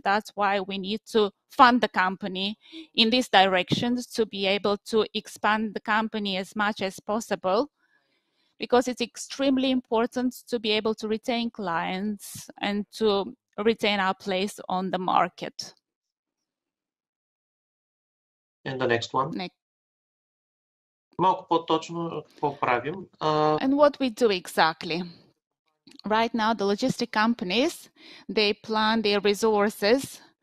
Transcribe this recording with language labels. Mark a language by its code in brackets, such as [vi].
[en] That's why we need to fund the company in these directions to be able to expand the company as much as possible, because it's extremely important to be able to retain clients and to retain our place on the market. And the next one. Next. [bg] Малко по-точно какво правим. [en] And what we do exactly. Right now, the logistic companies, they plan their resources.